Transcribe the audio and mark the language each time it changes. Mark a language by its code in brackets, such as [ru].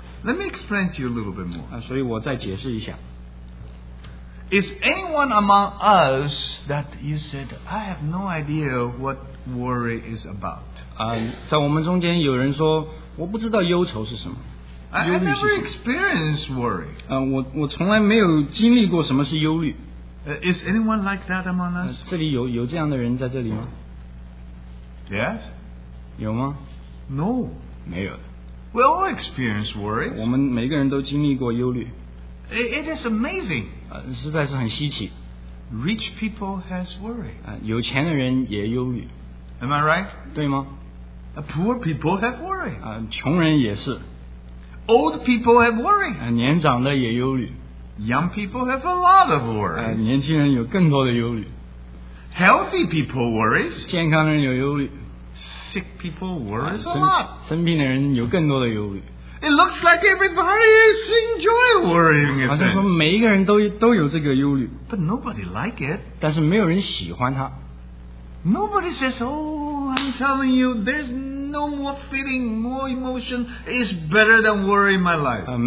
[en] Let me explain to you a little bit more. [zh] 所以我再解释一下。 [en] Is anyone among us that you said, I have no idea what worry is about? [zh] 在我们中间有人说, 我不知道忧愁是什么。 [en] I never experienced worry. [zh] 我从来没有经历过什么是忧虑。 [en] Is anyone like that among us? [zh] 这里有这样的人在这里吗? [en] Yes? [zh] 有吗? [en] No. [zh] 没有的。 [en] We all experience worry. [zh] 我们每个人都经历过忧虑。 [en] It is amazing. [zh] 实在是很稀奇。 [en] Rich people has worry. [zh] 有钱的人也忧虑。 [en] Am I right? [zh] 对吗? [en] Poor people have worry. [zh] 穷人也是。 [en] Old people have worry. [zh] 年长的也忧虑。 [en] Young people have a lot of worries. [zh] 年轻人有更多的忧虑。 [en] Healthy people worries. [zh] 健康人有忧虑。 [en] Sick people worries a lot. [zh] 生病的人有更多的忧虑。 [en] It looks like everybody is enjoying worrying. [zh] 好像说每一个人都有这个忧虑。 [en] But nobody like it. [zh] 但是没有人喜欢他。 [en] Nobody says, oh, I'm telling you, there's no more feeling, more emotion. It's better than worry in my life.